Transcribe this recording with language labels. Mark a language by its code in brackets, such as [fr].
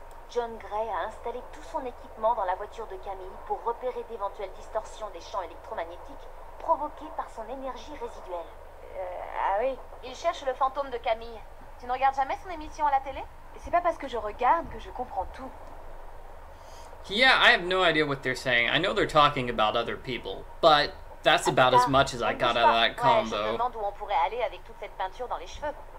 [fr] John Gray a installé tout son équipement dans la voiture de Camille pour repérer d'éventuelles distorsions des champs électromagnétiques provoquées par son énergie résiduelle. Ah oui. Il cherche le fantôme de Camille. Tu ne regardes jamais son émission à la télé? C'est pas parce que je regarde que je comprends tout. [en] Yeah, I have no idea what they're saying. I know they're talking about other people, but that's about as much as I got out of that combo. [fr] Ouais, je me demande où on pourrait aller avec toute cette peinture dans les cheveux.